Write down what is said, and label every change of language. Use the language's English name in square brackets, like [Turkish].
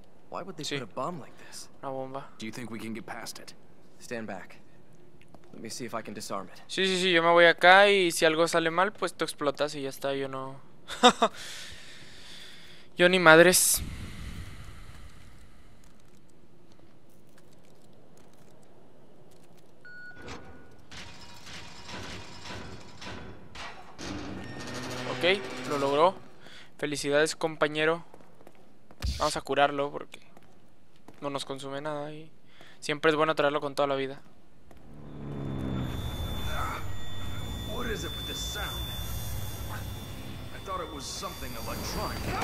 [English] Why would they put a bomb like this? [Spanish] Una bomba. [English] Do you think we can get past it? Stand back. Let me see if I can disarm it. [Spanish] Sí, sí, sí, yo me voy acá y si algo sale mal, pues tú explotas y ya está, yo no. Yo ni madres. Ok, lo logró. Felicidades, compañero. Vamos a curarlo porque no nos consume nada y siempre es bueno traerlo con toda la vida. [English] What is it with the sound? I thought it was something electronic.